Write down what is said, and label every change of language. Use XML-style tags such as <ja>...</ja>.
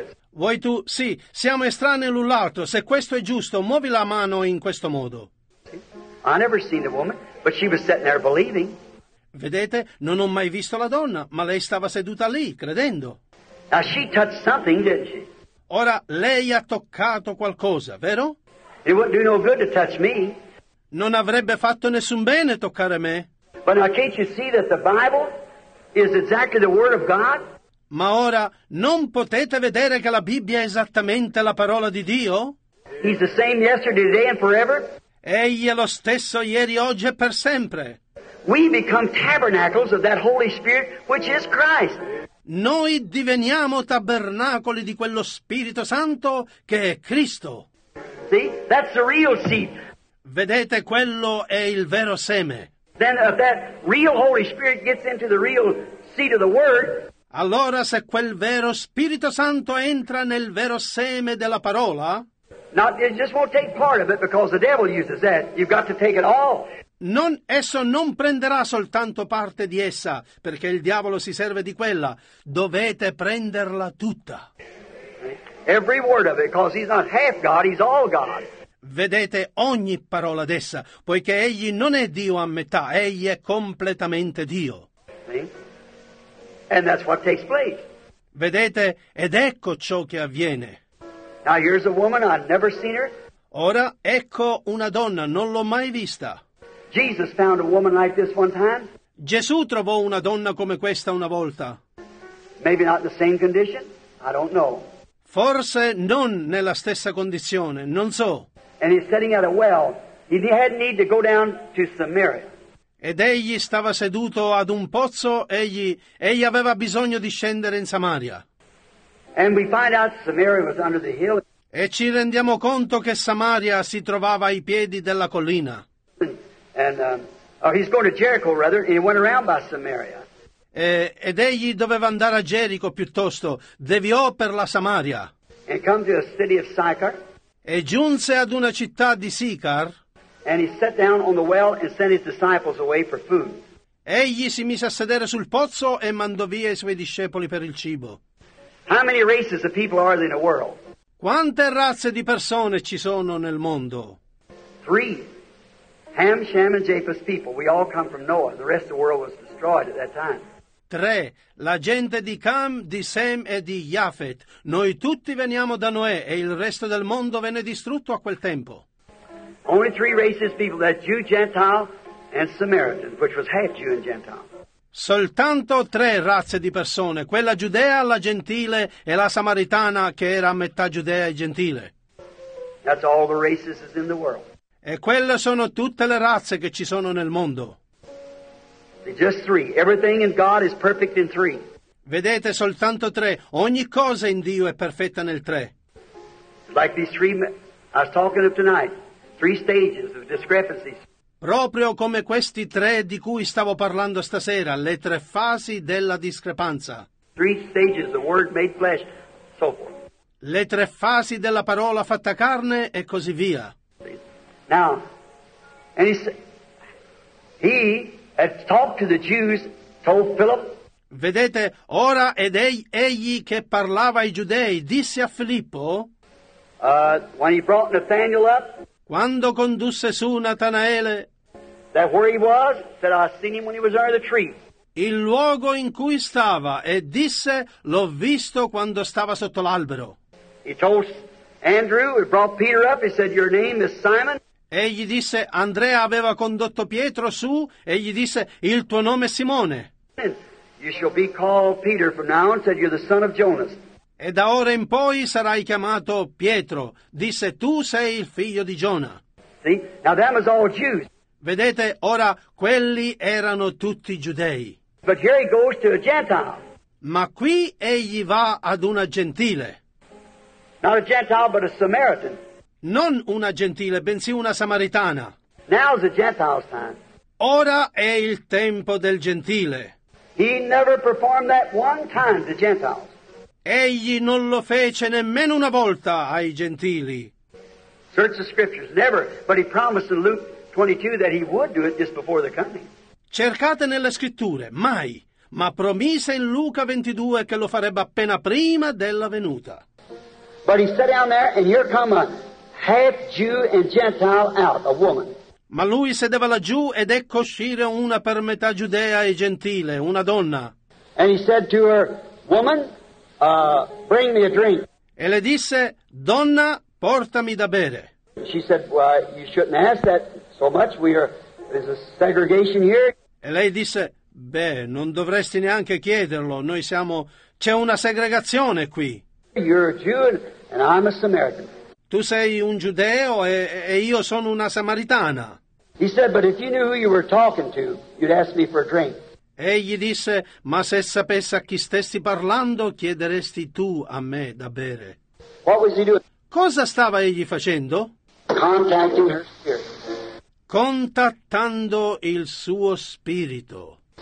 <it>Vuoi tu? Sì, siamo estranei l'un l'altro. Se questo è giusto, muovi la mano in questo modo.</it> <en>I never seen the woman, but she was sitting there believing.</en> <it>Vedete, non ho mai visto la donna, ma lei stava seduta lì, credendo.</it> <en>Now she touched something, didn't she?</en> <it>Ora, lei ha toccato qualcosa, vero?</it> <en>It wouldn't do no good to touch me.</en> <it>Non avrebbe fatto nessun bene toccare me.</it> <en>But now, can't you see that the Bible is exactly the Word of God?</en> <it>Ma ora, non potete vedere che la Bibbia è esattamente la parola di Dio?</it> <en>He's the same yesterday, today and forever.</en> <it>Egli è lo stesso ieri, oggi e per sempre.</it> <en>We become tabernacles of that Holy Spirit, which is Christ.</en> <it>Noi diveniamo tabernacoli di quello Spirito Santo che è Cristo.</it> <en>See, that's the real seed.</en> <it>Vedete, quello è il vero seme.</it> <en>Then if that real Holy Spirit gets into the real seed of the Word.</en> <it>Allora, se quel vero Spirito Santo entra nel vero seme della parola.</it> <en>Not, it just won't take part of it because the devil uses that. You've got to take it all.</en> <it>Non, esso non prenderà soltanto parte di essa, perché il diavolo si serve di quella. Dovete prenderla tutta.</it> <en>Every word of it, because he's not half God, he's all God.</en> <it>Vedete ogni parola d'essa, poiché egli non è Dio a metà, egli è completamente Dio.</it> <en>See? And that's what takes place.</en> <it>Vedete, ed ecco ciò che avviene.</it> <en>Now here's a woman, I've never seen her.</en> <it>Ora ecco una donna, non l'ho mai vista.</it> <en>Jesus found a woman like this one time.</en> <it>Gesù trovò una donna come questa una volta.</it> <en>Maybe not the same condition. I don't know.</en> <it>Forse non nella stessa condizione, non so.</it> <en>And he's sitting at a well. He had need to go down to Samaria.</en> <it>Ed egli stava seduto ad un pozzo. Egli aveva bisogno di scendere in Samaria.</it> <en>And we find out Samaria was under the hill.</en> <it>E ci rendiamo conto che Samaria si trovava ai piedi della collina.</it> <en>And he's going to Jericho rather, and he went around by Samaria.</en> <it>Ed egli doveva andare a Gerico piuttosto, deviò per la Samaria.</it> <en>And come to a city of Sychar.</en> <it>E giunse ad una città di Sicar.</it> <en>And he sat down on the well and sent his disciples away for food.</en> <it>Egli si mise a sedere sul pozzo e mandò via i suoi discepoli per il cibo.</it> <en>How many races of people are there in the world?</en> <it>Quante razze di persone ci sono nel mondo?</it> <en>Three. Ham, Shem, and Japheth's people. We all come from Noah. The rest of the world was destroyed at that time.</en> <it>3. La gente di Cam, di Sem e di Jafet. Noi tutti veniamo da Noè e il resto del mondo venne distrutto a quel tempo.</it> <en>Only three races of people, that Jew, Gentile and Samaritan, which was half Jew and Gentile.</en> <it>Soltanto tre razze di persone, quella giudea, la gentile e la samaritana che era metà giudea e gentile.</it> <en>That's all the races is in the world.</en> <it>E quelle sono tutte le razze che ci sono nel mondo.</it> <en>Just three. Everything in God is perfect in three.</en> <it>Vedete, soltanto tre. Ogni cosa in Dio è perfetta nel tre.</it> <en>Like these three I was talking of tonight. Three stages of discrepancies.</en> <it>Proprio come questi tre di cui stavo parlando stasera, le tre fasi della discrepanza.</it> <en>Three stages, the word made flesh, so forth.</en> <it>Le tre fasi della parola fatta carne e così via.</it> <en>Now, and he had talked to the Jews, told Philip.</en> <it>Vedete, ora ed egli che parlava ai giudei, disse a Filippo.</it> <en>When he brought Nathanael up.</en> <it>Quando condusse su Natanaele.</it> <en>That where he was, that I seen him when he was under the tree.</en> <it>Il luogo in cui stava, e disse, l'ho visto quando stava sotto l'albero.</it> <en>He told Andrew, he brought Peter up, he said, your name is Simon.</en> <it>Egli disse, Andrea aveva condotto Pietro su, e gli disse, il tuo nome è Simone.</it> <en>You shall be called Peter from now on, said, you're the son of Jonas.</en> <it>E da ora in poi sarai chiamato Pietro, disse, tu sei il figlio di Giona.</it> <en>See, now that was all Jews.</en> <it>Vedete, ora quelli erano tutti giudei.</it> <en>But here he goes to a Gentile.</en> <it>Ma qui egli va ad una gentile.</it> <en>Not a Gentile, but a Samaritan.</en> <it>Non una gentile, bensì una samaritana.</it> <en>Now's the Gentile's time.</en> <it>Ora è il tempo del gentile.</it> <en>He never performed that one time to Gentiles.</en> <it>Egli non lo fece nemmeno una volta ai gentili.</it> <en>Search the scriptures, never, but he promised in Luke 22 that he would do it just before the coming.</en> <it>Cercate nelle scritture, mai, ma promise in Luca 22 che lo farebbe appena prima della venuta.</it> <en>But he sat down there and here come a half Jew and Gentile out, a woman.</en> <it>Ma lui sedeva laggiù ed ecco uscire una per metà giudea e gentile, una donna.</it> <en>And he said to her, woman, bring me a drink.</en> <it>E le disse, donna, portami da bere.</it> <en>She said, well, you shouldn't ask that. So much we are, there's a segregation here.</en> <it>E lei disse, beh, non dovresti neanche chiederlo, noi siamo, c'è una segregazione qui.</it> <en>You're a Jew and I'm a Samaritan.</en> <it>Tu sei un giudeo e io sono una samaritana.</it> <en>He said, but if you knew who you were talking to, you'd ask me for a drink.</en> <it>Egli disse, ma se sapessi a chi stessi parlando, chiederesti tu a me da bere.</it> <en>What was he doing?</en> <it>Cosa stava egli facendo?</it> <en>Contacting her spirit.</en> <it>Contattando il suo spirito.</it>